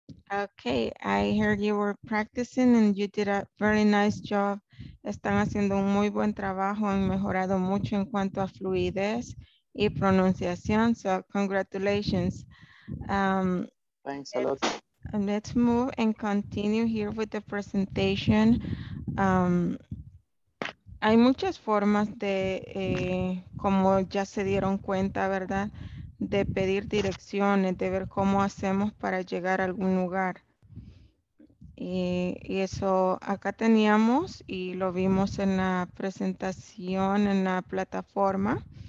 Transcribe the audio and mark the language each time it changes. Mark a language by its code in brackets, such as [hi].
[en] Okay, I heard you were practicing and you did a very nice job. [es] Están haciendo un muy buen trabajo, han mejorado mucho en cuanto a fluidez y pronunciación. [en] So, congratulations. Thanks a lot. Let's move and continue here with the presentation. [es] Hay muchas formas de, como ya se dieron cuenta, ¿verdad? De pedir direcciones, de ver cómo hacemos para llegar a algún lugar. Y eso acá teníamos y lo vimos en la presentación, en la plataforma.